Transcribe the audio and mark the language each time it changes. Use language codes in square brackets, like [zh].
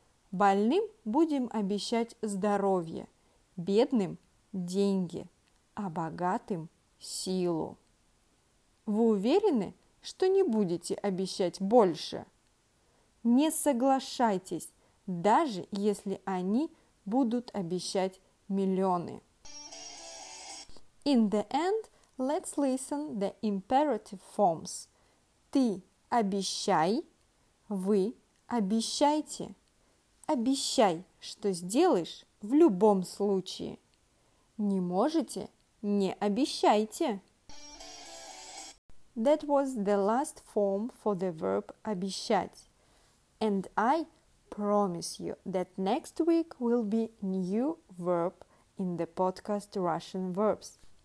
[ru] Больным будем обещать здоровье, бедным – деньги, а богатым – силу. Вы уверены, что не будете обещать больше? Не соглашайтесь, даже если они будут обещать миллионы. [en] In the end, let's listen the imperative forms. [ru] Ты обещай, вы обещайте. Обещай, что сделаешь в любом случае. Не можете, не обещайте. [en] That was the last form for the verb обещать. And I promise you that next week will be new verb in the podcast Russian Verbs.